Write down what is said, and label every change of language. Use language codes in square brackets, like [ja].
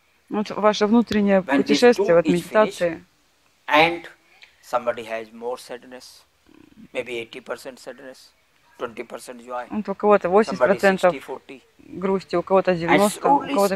[ru] Вот ваше внутреннее путешествие, вот медитации. [en] And somebody has more sadness, maybe 80% sadness, 20% joy. [ru] Вот у кого-то 80% грусти, у кого-то 90%, у кого-то